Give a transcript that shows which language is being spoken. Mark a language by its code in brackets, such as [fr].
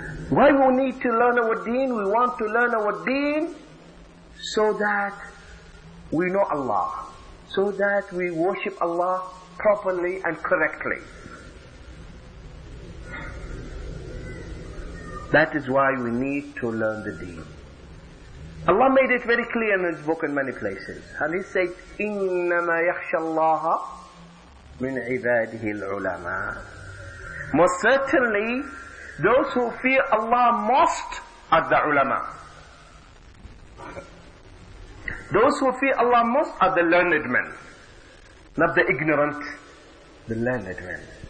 [en] Why we need to learn our deen? We want to learn our deen so that we know Allah. So that we worship Allah properly and correctly. That is why we need to learn the deen. Allah made it very clear in His book in many places. And He said, [ar] إِنَّمَا يَخْشَى اللَّهَ مِنْ عِبَادِهِ الْعُلَمَاءِ. [en] Most certainly, those who fear Allah most are the ulama. Those who fear Allah most are the learned men. Not the ignorant, the learned men.